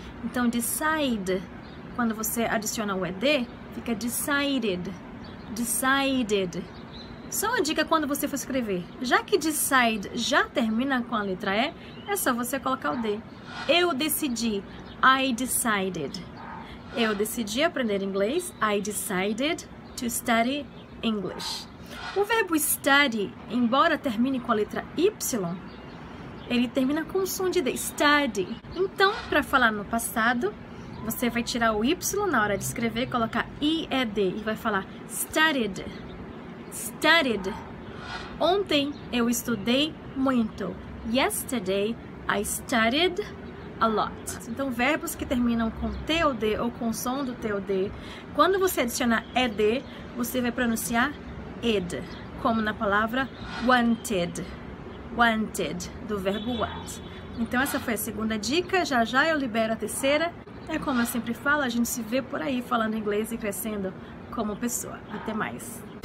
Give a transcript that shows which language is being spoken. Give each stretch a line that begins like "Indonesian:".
Portuguese: Então, decide, quando você adiciona o ED, fica decided. Decided. Só uma dica quando você for escrever. Já que decide já termina com a letra E, é só você colocar o D. Eu decidi.
English: I decided.
Portuguese: Eu decidi aprender inglês.
English: I decided to study English.
Portuguese: O verbo study, embora termine com a letra Y, ele termina com o som de D, study. Então, para falar no passado, você vai tirar o Y na hora de escrever, colocar IED e vai falar studied, studied. Ontem eu estudei muito.
English: Yesterday I studied a lot.
Portuguese: Então, verbos que terminam com T ou D ou com o som do T ou D, quando você adicionar ED, você vai pronunciar ED, como na palavra wanted, wanted, do verbo want. Então essa foi a segunda dica, já já eu libero a terceira. É como eu sempre falo, a gente se vê por aí falando inglês e crescendo como pessoa. Até mais!